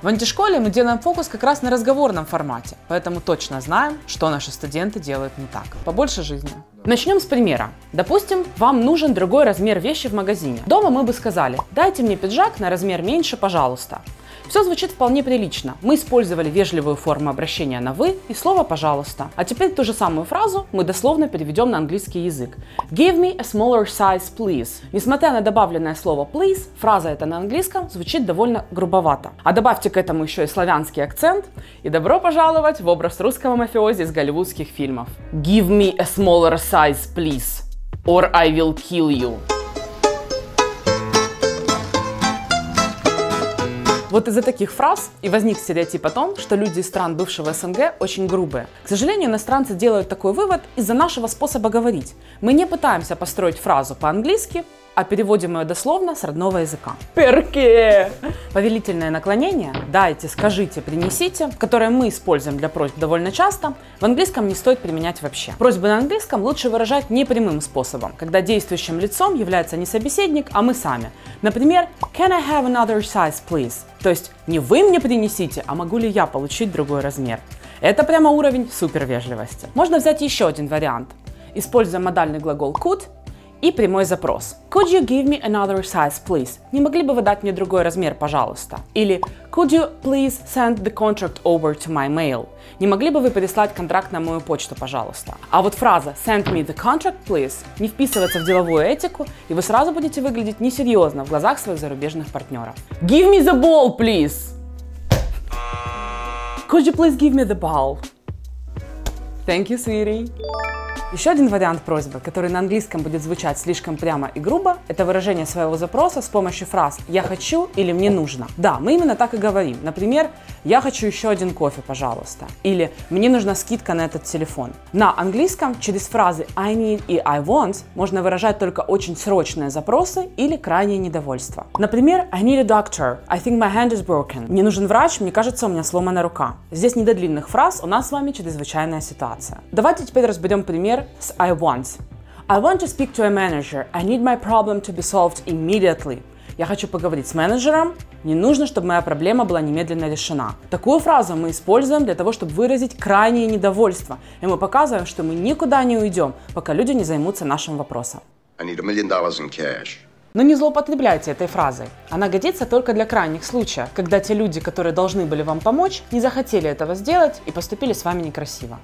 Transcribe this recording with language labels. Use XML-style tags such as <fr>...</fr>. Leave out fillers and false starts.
<ru>В антишколе мы делаем фокус как раз на разговорном формате, поэтому точно знаем, что наши студенты делают не так. Побольше жизни. Начнем с примера. Допустим, вам нужен другой размер вещи в магазине. Дома мы бы сказали: «Дайте мне пиджак на размер меньше, пожалуйста». Все звучит вполне прилично. Мы использовали вежливую форму обращения на «вы» и слово «пожалуйста». А теперь ту же самую фразу мы дословно переведем на английский язык.</ru> <en>Give me a smaller size, please.</en> <ru>Несмотря на добавленное слово «please», фраза эта на английском звучит довольно грубовато. А добавьте к этому еще и славянский акцент, и добро пожаловать в образ русского мафиози из голливудских фильмов.</ru> <en>Give me a smaller size, please, or I will kill you.</en> <ru>Вот из-за таких фраз и возник стереотип о том, что люди из стран бывшего СНГ очень грубые. К сожалению, иностранцы делают такой вывод из-за нашего способа говорить. Мы не пытаемся построить фразу по-английски, а переводим ее дословно с родного языка. Перки! Повелительное наклонение «дайте», «скажите», «принесите», которое мы используем для просьб довольно часто, в английском не стоит применять вообще. Просьбы на английском лучше выражать непрямым способом, когда действующим лицом является не собеседник, а мы сами. Например,</ru> <en>«Can I have another size, please?»</en> <ru>То есть не «вы мне принесите», а «могу ли я получить другой размер?» Это прямо уровень супервежливости. Можно взять еще один вариант. Используя модальный глагол «could» и прямой запрос.</ru> <en>Could you give me another size, please?</en> <ru>Не могли бы вы дать мне другой размер, пожалуйста?</ru> <en>Или could you please send the contract over to my mail?</en> <ru>Не могли бы вы переслать контракт на мою почту, пожалуйста? А вот фраза</ru> <en>send me the contract, please</en> <ru>не вписывается в деловую этику, и вы сразу будете выглядеть несерьезно в глазах своих зарубежных партнеров.</ru> <en>Give me the ball, please! Could you please give me the ball? Thank you, sweetie.</en> <ru>Еще один вариант просьбы, который на английском будет звучать слишком прямо и грубо, это выражение своего запроса с помощью фраз «я хочу» или «мне нужно». Да, мы именно так и говорим. Например, «я хочу еще один кофе, пожалуйста». Или «мне нужна скидка на этот телефон». На английском через фразы «I need» и «I want» можно выражать только очень срочные запросы или крайнее недовольство.</ru> <en>Например, «I need a doctor. I think my hand is broken».</en> <ru>«Мне нужен врач, мне кажется, у меня сломана рука». Здесь не до длинных фраз, у нас с вами чрезвычайная ситуация. Давайте теперь разберем пример с I want.</ru> <en>I want to speak to a manager. I need my problem to be solved immediately.</en> <ru>Я хочу поговорить с менеджером. Не нужно, чтобы моя проблема была немедленно решена. Такую фразу мы используем для того, чтобы выразить крайнее недовольство. И мы показываем, что мы никуда не уйдем, пока люди не займутся нашим вопросом.</ru> <en>I need $1 million in cash.</en> <ru>Но не злоупотребляйте этой фразой. Она годится только для крайних случаев, когда те люди, которые должны были вам помочь, не захотели этого сделать и поступили с вами некрасиво.</ru>